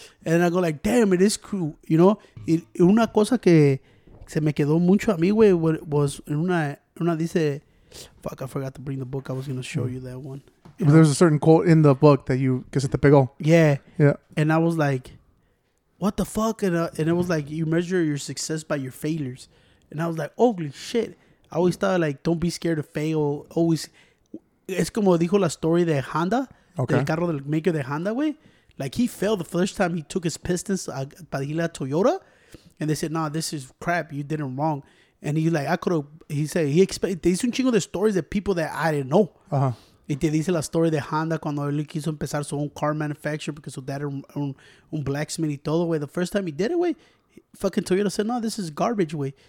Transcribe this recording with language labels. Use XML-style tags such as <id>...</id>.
<en>And I go like, damn, it is cool. You know?</en> <es>Y una cosa que se me quedó mucho a mí,</es> <en>güey, was</en> <es>en una dice,</es> <en>fuck, I forgot to bring the book. I was going to show you that one. Yeah. But there's a certain quote in the book that you,</en> <es>que se te pegó.</es> <en>Yeah. Yeah. And I was like, what the fuck? And it was like, you measure your success by your failures. And I was like, holy shit. I always thought, like, don't be scared to fail.</en> <es>Always, es como dijo la story de Honda, okay, del carro del maker de Honda, güey.</es> <en>Like, he failed the first time he took his pistons</en> <es>para ir a</es> <en>Toyota, and they said, nah, this is crap. You did it wrong. And he's like, I could have, he said, he expected,</en> <es>te hizo un chingo de</es> <en>stories de people that I didn't know. Uh-huh.</en> <es>Y te dice la story de Honda cuando él quiso empezar su</es> <en>own car manufacturer</en> <es>because su dad era un blacksmith y todo, güey.</es> <en>The first time he did it, güey, fucking Toyota said, no, this is garbage, way.</en>